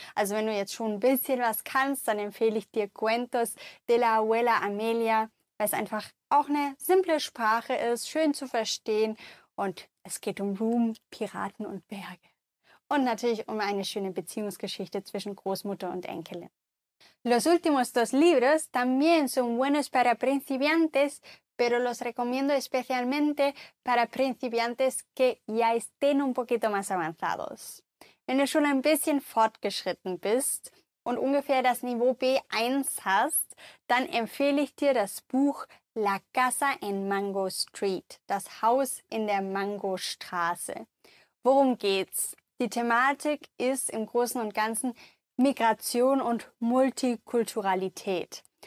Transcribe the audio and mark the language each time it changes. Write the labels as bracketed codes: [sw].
[de] Also wenn du jetzt schon ein bisschen was kannst, dann empfehle ich dir Cuentos de la Abuela Amelia, weil es einfach auch eine simple Sprache ist, schön zu verstehen. Und es geht um Blumen, Piraten und Berge. Und natürlich um eine schöne Beziehungsgeschichte zwischen Großmutter und Enkelin. [es] Los últimos dos libros también son buenos para principiantes, pero los recomiendo especialmente para principiantes que ya estén un poquito más avanzados. [de] Wenn du schon ein bisschen fortgeschritten bist und ungefähr das Niveau B1 hast, dann empfehle ich dir das Buch La Casa en Mango Street, das Haus in der Mangostraße. Worum geht's? Die Thematik ist im Großen und Ganzen Migration und Multikulturalität.